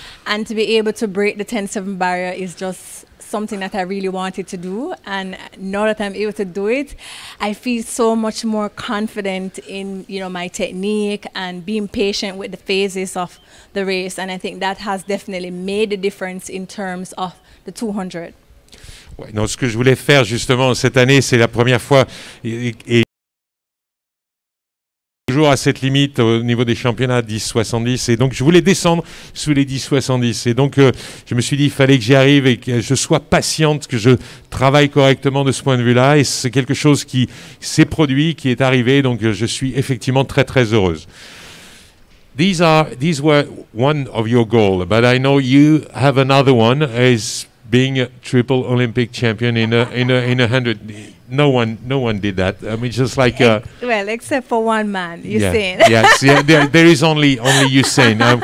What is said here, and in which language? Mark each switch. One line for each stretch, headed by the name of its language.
English: And to be able to break the 10:07 barrier is just something that I really wanted to do, and now that I'm able to do it, I feel so much more confident in, you know, my technique and being patient with the phases of the race, and I think that has definitely made a difference in terms of the 200.
French: Ouais, non, ce que je voulais faire justement cette année, c'est la première fois et toujours à cette limite au niveau des championnats 10-70, et donc je voulais descendre sous les 10-70, et donc je me suis dit qu'il fallait que j'y arrive et que je sois patiente, que je travaille correctement de ce point de vue là et c'est quelque chose qui s'est produit, qui est arrivé, donc je suis effectivement très très heureuse.
English: These were one of your goals, but I know you have another one, is being a triple Olympic champion in a hundred. No one did that. I mean, just like except for one man, Usain. Yes, yeah. There is only Usain.